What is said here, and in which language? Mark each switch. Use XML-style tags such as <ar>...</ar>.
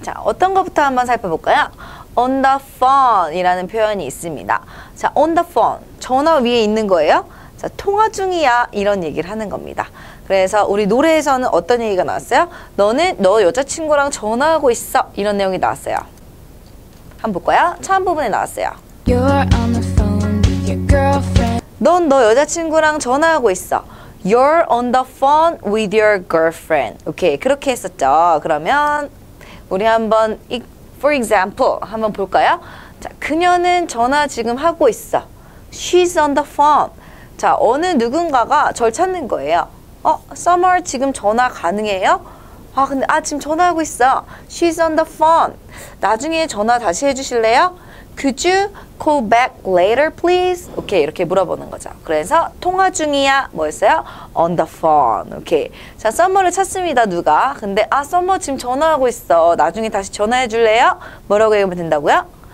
<ko>자, 어떤 것부터 한번 살펴볼까요?</ko> <en>On the phone</en> <ko>이라는 표현이 있습니다. 자,</ko> <en>on the phone.</en> <ko>전화 위에 있는 거예요. 자, 통화 중이야. 이런 얘기를 하는 겁니다. 그래서 우리 노래에서는 어떤 얘기가 나왔어요? 너는 너 여자친구랑 전화하고 있어. 이런 내용이 나왔어요. 한번 볼까요? 처음 부분에 나왔어요.</ko> <en>You're on the phone with your girlfriend.</en> <ko>넌 너 여자친구랑 전화하고 있어.</ko> <en>You're on the phone with your girlfriend.</en> <ko>오케이. 그렇게 했었죠. 그러면 우리 한번</ko> <en>for example</en> <ko>한번 볼까요? 자, 그녀는 전화 지금 하고 있어.</ko> <en>She's on the phone.</en> <ko>자, 어느 누군가가 절 찾는 거예요. 어, Summer 지금 전화 가능해요? 아, 근데 아 지금 전화하고 있어.</ko> <en>She's on the phone.</en> <ko>나중에 전화 다시 해 주실래요?</ko> <en>Could you call back later please?</en> <ko>오케이, 이렇게 물어보는 거죠. 그래서 통화 중이야. 뭐였어요?</ko> <en>On the phone.</en> <ko>오케이. 자, Summer를 찾습니다. 누가? 근데 아, Summer 지금 전화하고 있어. 나중에 다시 전화해 줄래요? 뭐라고 얘기하면 된다고요?</ko>